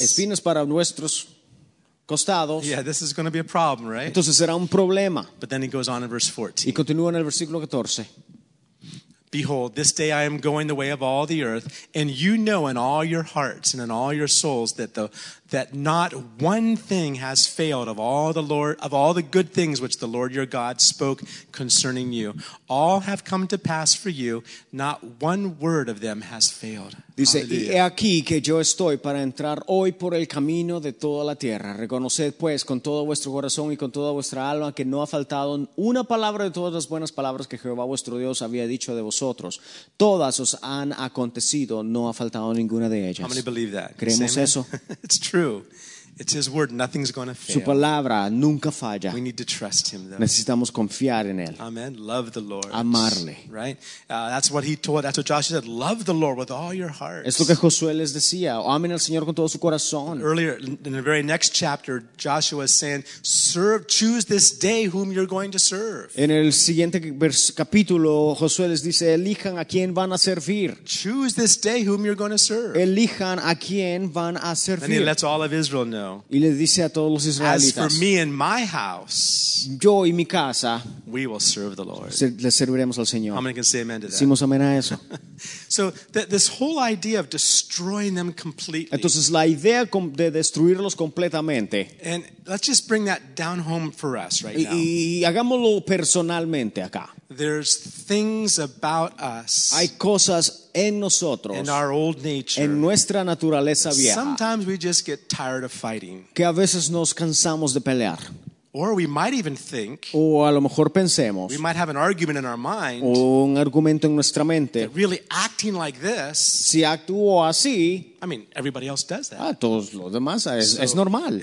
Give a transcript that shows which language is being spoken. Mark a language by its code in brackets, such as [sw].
[es] espinas para nuestros costados. [en] Yeah, this is going to be a problem, right? [es] Entonces será un problema. [en] But then he goes on in verse 14. [es] Y continúa en el versículo 14. [en] Behold, this day I am going the way of all the earth, and you know in all your hearts and in all your souls that not one thing has failed of all the Lord of all the good things which the Lord your God spoke concerning you. All have come to pass for you, not one word of them has failed. [es] Dice, y he aquí que yo estoy para entrar hoy por el camino de toda la tierra. Reconoced pues con todo vuestro corazón y con toda vuestra alma que no ha faltado una palabra de todas las buenas palabras que Jehová vuestro Dios había dicho de vosotros. Todas os han acontecido, no ha faltado ninguna de ellas. [en] How many believe that? [es] ¿Creemos eso? [en] It's true. It's his word. Nothing's going to fail. [es] Su palabra nunca falla. [en] We need to trust him, though. [es] Necesitamos confiar en él. [en] Amen. Love the Lord. [es] Amarle. [en] Right? That's what he taught. That's what Joshua said. Love the Lord with all your heart. [es] Es lo que Josué les decía. Amen al Señor con todo su corazón. [en] Earlier, in the very next chapter, Joshua is saying, "Serve. Choose this day whom you're going to serve." [es] En el siguiente capítulo, Josué les dice, "Elijan a quién van a servir." [en] Choose this day whom you're going to serve. [es] Elijan a quién van a servir. [en] And he lets all of Israel. [es] Y le dice a todos los israelitas, [en] as for me and my house, [es] yo y mi casa, [en] we will serve the Lord. [es] Le serviremos al Señor. [en] How many can say amen to that? [es] Decimos amén a eso. [en] So this whole idea of destroying them completely. [es] Entonces la idea de destruirlos completamente. [en] And let's just bring that down home for us right now. [es] Y hagámoslo personalmente acá. [en] There's things about us. [es] Hay cosas en nosotros. [en] In our old nature. [es] En nuestra naturaleza vieja. [en] Sometimes we just get tired of fighting. [es] Que a veces nos cansamos de pelear. [en] Or we might even think. [es] O a lo mejor pensemos. [en] We might have an argument in our mind. [es] O un argumento en nuestra mente. [en] That really acting like this. [es] Si actúo así. [en] I mean, everybody else does that. [es] Ah, todos los demás es normal.